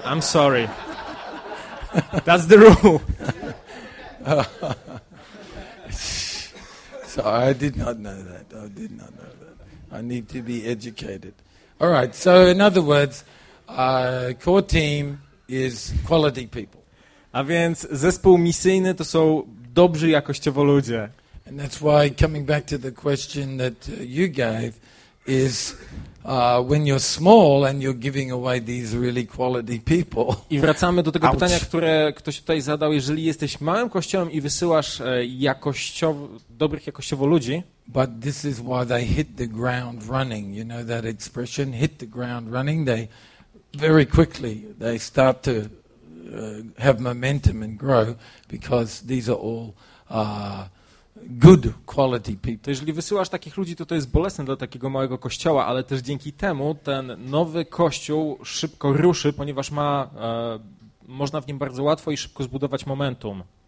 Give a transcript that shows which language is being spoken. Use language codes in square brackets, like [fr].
[en] I'm sorry. That's the rule. Sorry, I did not know that. I did not know that. I need to be educated. All right, so in other words, core team is quality people. [pl] A więc zespół misyjny to są dobrzy jakościowo ludzie. [en] And that's why coming back to the question that you gave is when you're small and you're giving away these really quality people. [pl] I wracamy do tego pytania, które ktoś tutaj zadał, jeżeli jesteś małym kościołem i wysyłasz jakościowo dobrych jakościowo ludzi. [en] But this is why they hit the ground running, you know that expression, hit the ground running, they very quickly they start to have momentum and grow because these are all good quality people. [pl] To jeżeli wysyłasz takich ludzi, to to jest bolesne dla takiego małego kościoła, ale też dzięki temu ten nowy kościół szybko ruszy, ponieważ ma można w nim bardzo łatwo i szybko zbudować momentum.